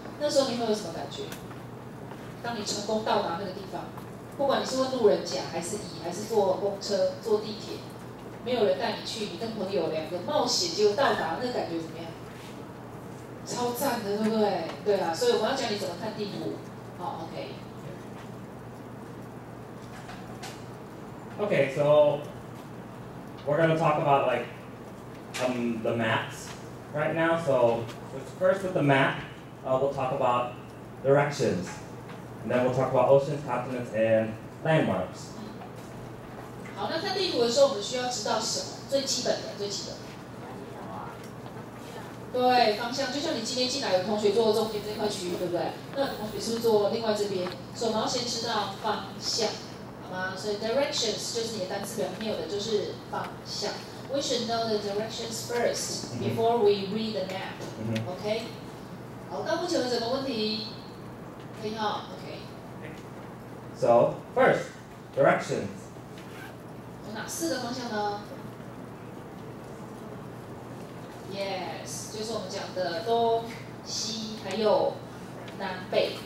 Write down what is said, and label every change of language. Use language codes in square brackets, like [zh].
[zh] 那时候你会有什么感觉？当你成功到达那个地方，不管你是问路人甲，还是坐公车、坐地铁，没有人带你去，你跟朋友两个冒险就到达，那个感觉怎么样？超赞的，对不对？对啊，所以我要教你怎么看地图。好 ，OK。 [en] Okay, so we're going to talk about like the maps right now. So first with the map, we'll talk about directions. And then we'll talk about oceans, continents, and landmarks. [zh] 好，那看地图的时候，我们需要知道什么？最基本的。对，方向。就像你今天进来有同学坐中间这块区域，对不对？那同学是不是坐另外这边？所以我们要先知道方向。所以 directions 就是你的单词表里面有的就是方向。 [en] We should know the directions first before we read the map. OK. [zh] 好，到目前为止有什么问题？可以哈。OK. [en] So first, directions. [zh] 有哪四个方向呢 ？Yes， 就是我们讲的东西还有南北。